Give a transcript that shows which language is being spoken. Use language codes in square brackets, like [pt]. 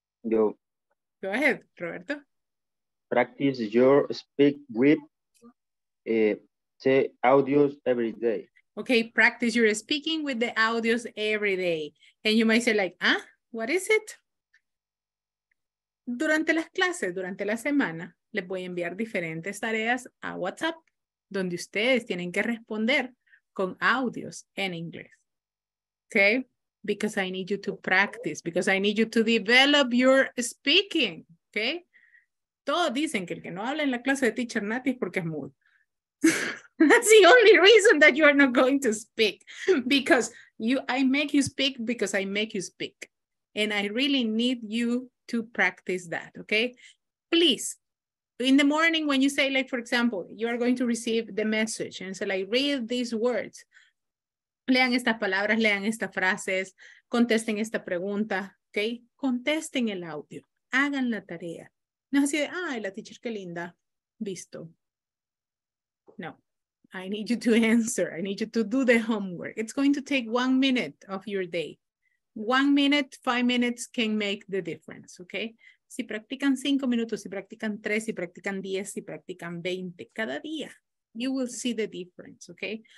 [en] Go. Go ahead, Roberto. Practice your speak with audios every day. Okay, practice your speaking with the audios every day. And you might say like, ah, what is it? [es] Durante las clases, durante la semana, les voy a enviar diferentes tareas a WhatsApp, donde ustedes tienen que responder con audios en inglés. Okay? [en] Because I need you to practice, because I need you to develop your speaking. Okay? [es] Todos dicen que el que no habla en la clase de Teacher Nati es porque es mudo. [en] That's the only reason that you are not going to speak. Because I make you speak. And I really need you to practice that, okay? Please, in the morning when you say, like, for example, you are going to receive the message, and so like, read these words. [es] Lean estas palabras, lean estas frases, contesten esta pregunta, okay? Contesten el audio, hagan la tarea. No así de, ay, la teacher, qué linda, visto. [en] No, I need you to answer. I need you to do the homework. It's going to take 1 minute of your day. 1 minute, 5 minutes can make the difference, okay? [es] Si practican 5 minutos, si practican 3, si practican 10, si practican 20, cada día, [en] you will see the difference, okay?